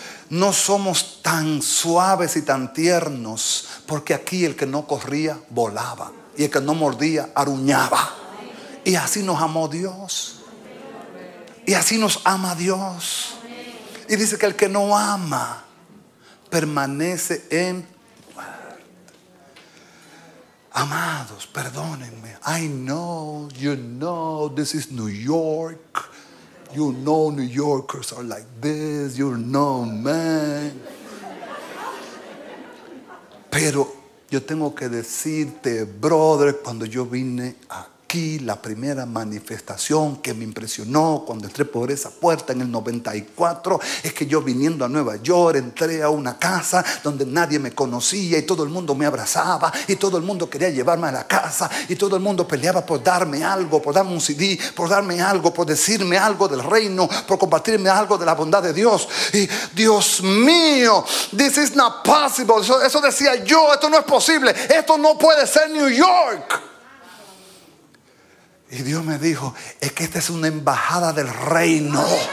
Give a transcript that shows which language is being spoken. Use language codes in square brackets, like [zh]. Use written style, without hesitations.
[es] no somos tan suaves y tan tiernos, porque aquí el que no corría volaba, y el que no mordía aruñaba. Y así nos amó Dios, y así nos ama Dios. Y dice que el que no ama permanece en muerte. Amados, perdónenme. [en] I know, you know, this is New York. You know New Yorkers are like this. You know, man. [es] Pero yo tengo que decirte, brother, cuando yo vine aquí, la primera manifestación que me impresionó cuando entré por esa puerta en el 94 es que yo, viniendo a Nueva York, entré a una casa donde nadie me conocía y todo el mundo me abrazaba y todo el mundo quería llevarme a la casa y todo el mundo peleaba por darme algo, por darme un CD, por darme algo, por decirme algo del reino, por compartirme algo de la bondad de Dios. Y Dios mío, [en] this is not possible. [es] Eso decía yo, esto no es posible, esto no puede ser New York. Y Dios me dijo, es que esta es una embajada del reino.